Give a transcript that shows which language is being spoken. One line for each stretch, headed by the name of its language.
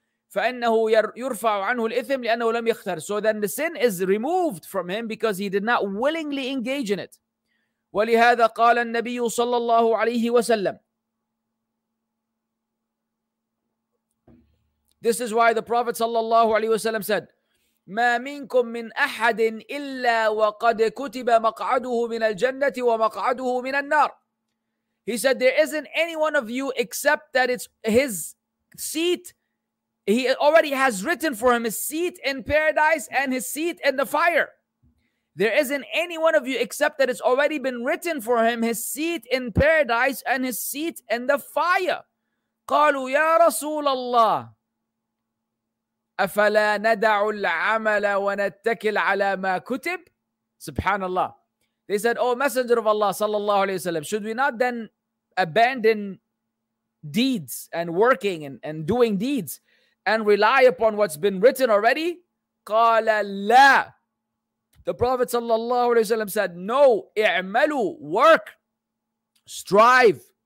Arabic: فإنه يرفع عنه الإثم لأنه لم يختار.
English: So then the sin is removed from him because he did not willingly engage in it.
Arabic: ولهذا قال النبي صلى الله عليه وسلم.
English: This is why the Prophet
Arabic: صلى الله عليه وسلم said, ما منكم من أحد إلا وقد كتب مقعده من الجنة ومقعده من النار.
English: He said, there isn't any one of you except that it's his seat. He already has written for him his seat in paradise and his seat in the fire. There isn't any one of you except that it's already been written for him his seat in paradise and his seat in the fire.
Arabic: قالوا يا رسول الله أفلا ندع العمل ونتكل على ما كتب. سبحان الله.
English: They said, oh messenger of Allah صلى الله عليه وسلم, should we not then abandon deeds and working and doing deeds and rely upon what's been written already?
Arabic: قَالَ لَا.
English: The Prophet sallallahu alayhi wa sallam said, no, اِعْمَلُوا, work, strive.